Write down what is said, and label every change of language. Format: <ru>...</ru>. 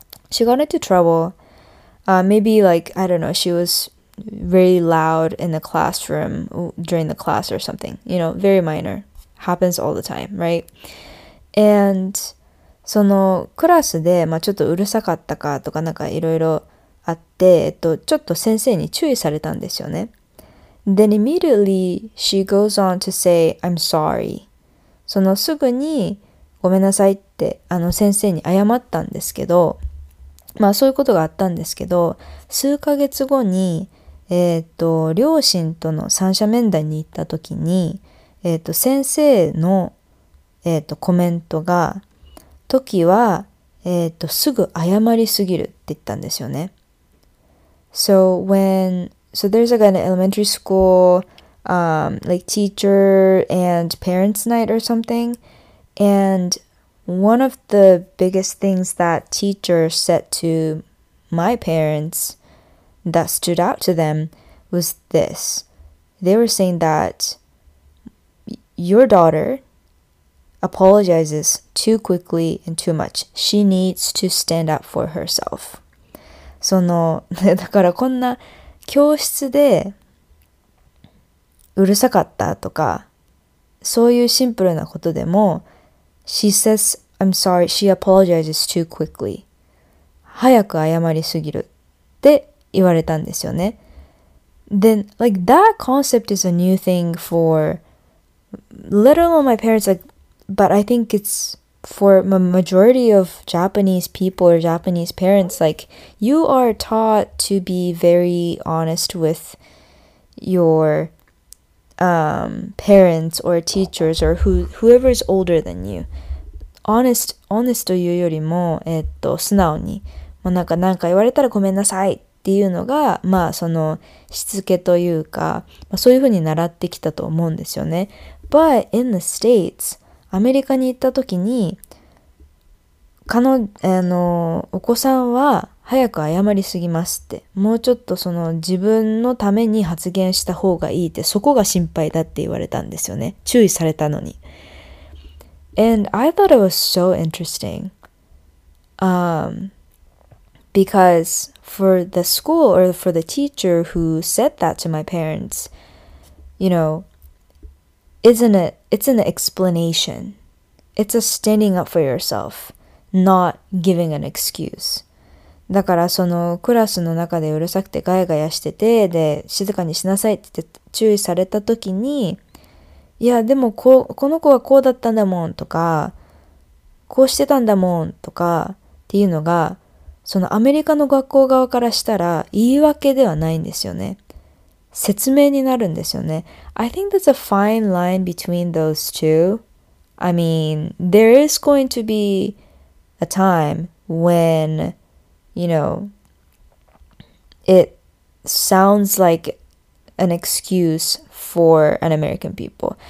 <en>She got into trouble, maybe like, I don't know, she was very loud in the classroom during the class or something, you know, very minor. Happens all the time, right? And</en> <ja>そのクラスで、まあ、ちょっとうるさかったかとかなんかいろいろあって、ちょっと先生に注意されたんですよね。</ja> <en>Then immediately she goes on to say, I'm sorry.</en> <ja>そのすぐにごめんなさいって先生に謝ったんですけど、まあそういうことがあったんですけど、数ヶ月後に、両親との三者面談に行った時に、先生の、コメントが、時は、すぐ謝りすぎるって言ったんですよね。</ja> <en>So when, so there's like an elementary school, like teacher and parents night or something, and one of the biggest things that teacher said to my parents that stood out to them was this. They were saying thatYour daughter apologizes too quickly and too much. She needs to stand up for herself.</en> <ja>その、だからこんな教室でうるさかったとか、そういうシンプルなことでも、</ja> <en>She says, I'm sorry, she apologizes too quickly.</en> <ja>早く謝りすぎるって言われたんですよね。</ja> <en>Then, like, that concept is a new thing for... Let alone my parents, like, but I think it's for a majority of Japanese people or Japanese parents, like, you are taught to be very honest with your parents or teachers or whoever is older than you. Honest</en> <ja>というよりも、素直に、まあ、なんか言われたらごめんなさいっていうのが、まあ、そのしつけというか、まあ、そういうふうに習ってきたと思うんですよね。</ja> <en>But in the States,</en> <ja>アメリカに行った時に、お子さんは早く謝りすぎますって、もうちょっとその自分のために発言した方がいいって、そこが心配だって言われたんですよね。注意されたのに。</ja> <en>And I thought it was so interesting. Because for the school or for the teacher who said that to my parents, you know,Isn't it? It's an explanation. It's a standing up for yourself. not giving an excuse.</en> <ja>だからそのクラスの中でうるさくてガヤガヤしてて、で静かにしなさいって注意された時に、いやでもこの子はこうだったんだもんとか、こうしてたんだもんとかっていうのが、そのアメリカの学校側からしたら言い訳ではないんですよね。説明になるんですよね。</ja> <en>I think that's a fine line between those two. I mean, there is going to be a time when, you know, it sounds like an excuse for an American people.</en>